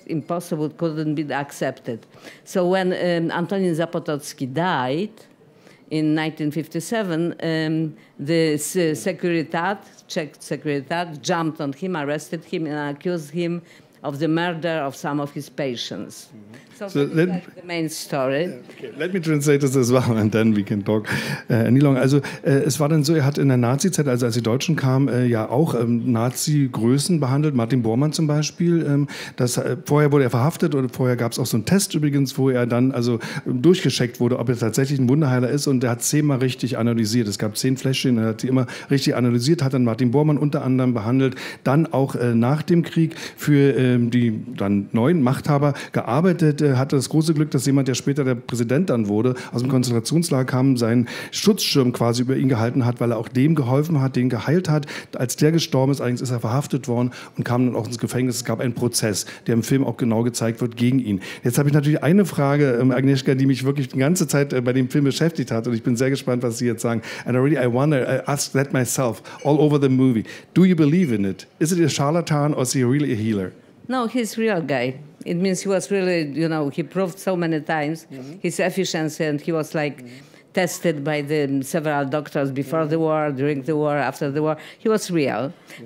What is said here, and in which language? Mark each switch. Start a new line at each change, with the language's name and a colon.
English: impossible, couldn't be accepted. So when Antonin Zapotocki died in 1957, the Securitat, Czech Securitat, jumped on him, arrested him, and accused him of the murder of some of his patients. Mm-hmm. So that's like the main story. Okay. Let me translate this as well, and then we can talk any longer.
German: Also es war dann so, er hat in der Nazi-Zeit, also als die Deutschen kamen, ja auch Nazi-Größen behandelt, Martin Bormann zum Beispiel. Vorher wurde er verhaftet, und vorher gab es auch so einen Test übrigens, wo er dann also durchgecheckt wurde, ob er tatsächlich ein Wunderheiler ist, und er hat 10-mal richtig analysiert. Es gab 10 Fläschchen, er hat sie immer richtig analysiert, hat dann Martin Bormann unter anderem behandelt, dann auch nach dem Krieg für die dann neuen Machthaber gearbeitet, hatte das große Glück, dass jemand, der später der Präsident dann wurde, aus dem Konzentrationslager kam, seinen Schutzschirm quasi über ihn gehalten hat, weil er auch dem geholfen hat, den geheilt hat. Als der gestorben ist, allerdings ist er verhaftet worden und kam dann auch ins Gefängnis. Es gab einen Prozess, der im Film auch genau gezeigt wird, gegen ihn. Jetzt habe ich natürlich eine Frage, Agnieszka, die mich wirklich die ganze Zeit bei dem Film beschäftigt hat, und ich bin sehr gespannt, was Sie jetzt sagen.
English: And already I wonder, I ask that myself, all over the movie. Do you believe in it? Is it a charlatan or is he really a healer? No, he's a real guy. It means he was really, you know, he proved so many times his efficiency, and he was like tested by the several doctors before the war, during the war, after the war. He was real. Yeah.